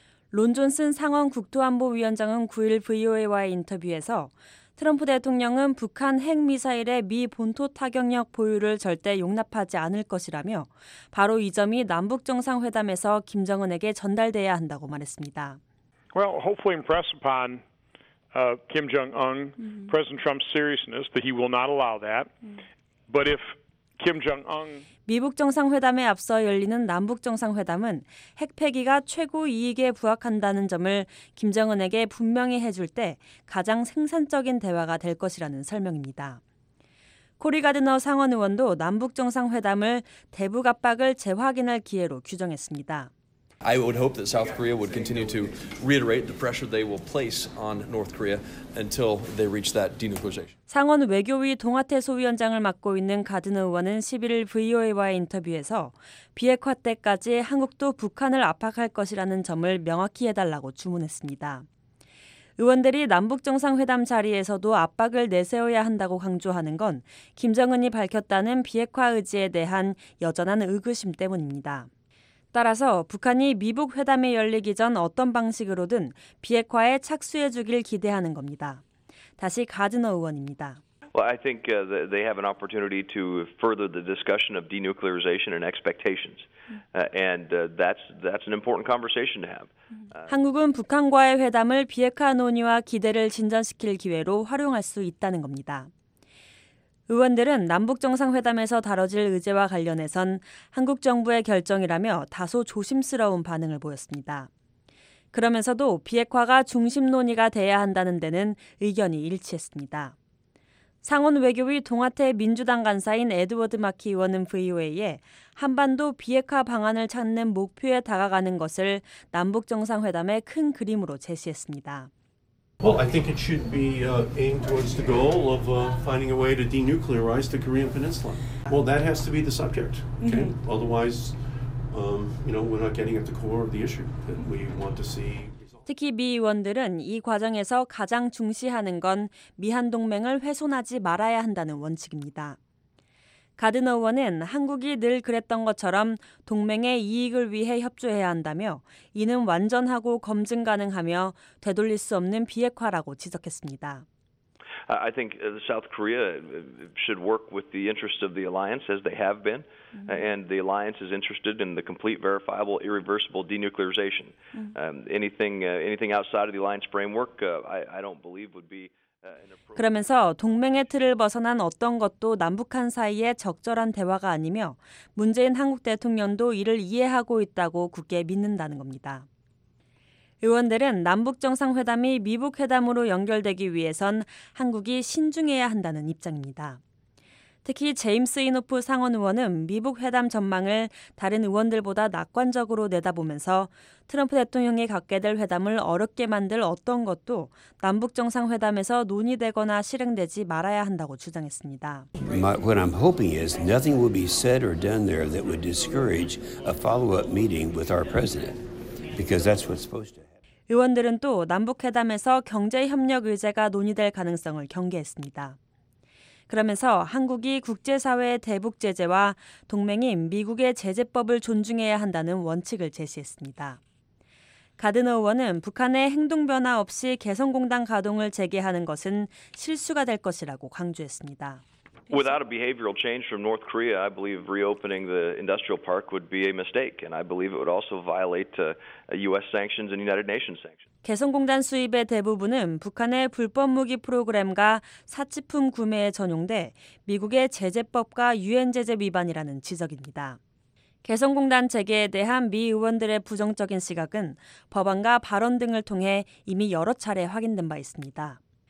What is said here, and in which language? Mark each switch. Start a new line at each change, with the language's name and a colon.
Korean: 론 존슨 상원 국토안보위원장은 9일 VOA와의 인터뷰에서 트럼프 대통령은 북한 핵미사일의 미 본토 타격력 보유를 절대 용납하지 않을 것이라며 바로 이 점이 남북정상회담에서 김정은에게 전달돼야 한다고 말했습니다.
English: Well, hopefully impress upon Kim Jong-un, President Trump's seriousness that he will not allow that. But if
Korean: 미북 정상회담에 앞서 열리는 남북 정상회담은 핵폐기가 최고 이익에 부합한다는 점을 김정은에게 분명히 해줄 때 가장 생산적인 대화가 될 것이라는 설명입니다. 코리 가드너 상원 의원도 남북 정상회담을 대북 압박을 재확인할 기회로 규정했습니다.
English: I would hope that South Korea would continue to reiterate the pressure they will place on North Korea until they reach that denuclearization.
Korean: 상원 외교위 동아태 소위원장을 맡고 있는 가드너 의원은 11일 VOA와의 인터뷰에서 비핵화 때까지 한국도 북한을 압박할 것이라는 점을 명확히 해달라고 주문했습니다. 의원들이 남북정상회담 자리에서도 압박을 내세워야 한다고 강조하는 건 김정은이 밝혔다는 비핵화 의지에 대한 여전한 의구심 때문입니다. 따라서 북한이 미북 회담이 열리기 전 어떤 방식으로든 비핵화에 착수해 주길 기대하는 겁니다. 다시 가드너 의원입니다.
English: Well, I think they have an opportunity to further the discussion of denuclearization and expectations. And that's an important conversation to have.
Korean: 한국은 북한과의 회담을 비핵화 논의와 기대를 진전시킬 기회로 활용할 수 있다는 겁니다. 의원들은 남북정상회담에서 다뤄질 의제와 관련해선 한국 정부의 결정이라며 다소 조심스러운 반응을 보였습니다. 그러면서도 비핵화가 중심 논의가 돼야 한다는 데는 의견이 일치했습니다. 상원 외교위 동아태 민주당 간사인 에드워드 마키 의원은 VOA에 한반도 비핵화 방안을 찾는 목표에 다가가는 것을 남북정상회담의 큰 그림으로 제시했습니다.
English: Well, I think it should be aimed towards the goal of finding a way to denuclearize the Korean Peninsula. Well, that has to be the subject. Okay? Mm-hmm. Otherwise, you know, we're not getting at the core of the issue that we want to see.
Korean: 특히 미 의원들은 이 과정에서 가장 중시하는 건 미한 동맹을 훼손하지 말아야 한다는 원칙입니다. 가드너 의원은 한국이 늘 그랬던 것처럼 동맹의 이익을 위해 협조해야 한다며 이는 완전하고 검증 가능하며 되돌릴 수 없는 비핵화라고 지적했습니다.
English: I think South Korea should work with the interests of the alliance as they have been, and the alliance is interested in the complete, verifiable, irreversible denuclearization. Anything outside of the alliance framework, I don't believe would be.
Korean: 그러면서 동맹의 틀을 벗어난 어떤 것도 남북한 사이에 적절한 대화가 아니며 문재인 한국 대통령도 이를 이해하고 있다고 굳게 믿는다는 겁니다. 의원들은 남북정상회담이 미북회담으로 연결되기 위해선 한국이 신중해야 한다는 입장입니다. 특히 제임스 이노프 상원 의원은 미북회담 전망을 다른 의원들보다 낙관적으로 내다보면서 트럼프 대통령이 갖게 될 회담을 어렵게 만들 어떤 것도 남북정상회담에서 논의되거나 실행되지 말아야 한다고 주장했습니다.
English: What I'm hoping is nothing will be said or done there that would discourage a follow-up meeting with our president. Because that's what's supposed to happen.
Korean: 의원들은 또 남북회담에서 경제협력 의제가 논의될 가능성을 경계했습니다. 그러면서 한국이 국제사회의 대북 제재와 동맹인 미국의 제재법을 존중해야 한다는 원칙을 제시했습니다. 가드너 의원은 북한의 행동 변화 없이 개성공단 가동을 재개하는 것은 실수가 될 것이라고 강조했습니다.
English: Without a behavioral change from North Korea, I believe reopening the industrial park would be a mistake, and I believe it would also violate U.S. sanctions and United Nations sanctions.
Korean: 개성공단 수입의 대부분은 북한의 불법 무기 프로그램과 사치품 구매에 전용돼 미국의 제재법과 유엔 제재 위반이라는 지적입니다. 개성공단 재개에 대한 미 의원들의 부정적인 시각은 법안과 발언 등을 통해 이미 여러 차례 확인된 바 있습니다.